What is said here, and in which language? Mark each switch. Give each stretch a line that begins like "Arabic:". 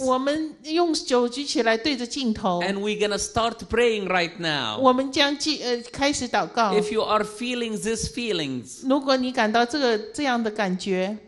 Chinese: 我们用手举起来对着镜头。
English: And we're going to start praying right now.
Chinese: 我们将开始祷告。
English: If you are feeling these feelings,
Chinese: 如果你感到这样的感觉。